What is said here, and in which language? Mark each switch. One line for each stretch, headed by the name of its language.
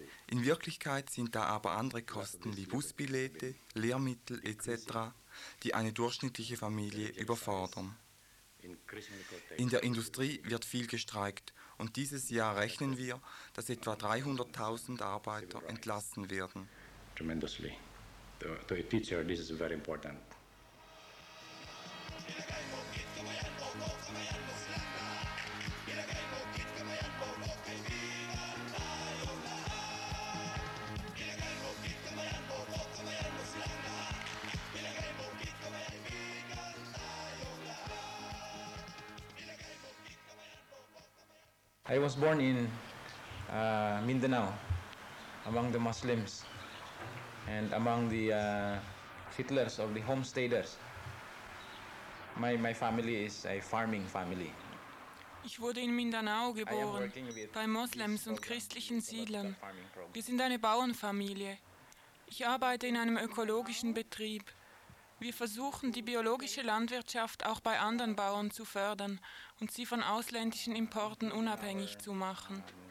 German: In Wirklichkeit sind da aber andere Kosten wie Busbillette, Lehrmittel etc., die eine durchschnittliche Familie überfordern. In der Industrie wird viel gestreikt und dieses Jahr rechnen wir, dass etwa 300.000 Arbeiter entlassen werden.
English: Tremendously. To a teacher, this is very important. I was born in Mindanao, among the Muslims and among the settlers of the homesteaders. My family is a farming family.
German: Ich wurde in Mindanao geboren, bei Moslems und christlichen Siedlern. Wir sind eine Bauernfamilie. Ich arbeite in einem ökologischen Betrieb. Wir versuchen, die biologische Landwirtschaft auch bei anderen Bauern zu fördern und sie von ausländischen Importen unabhängig zu machen.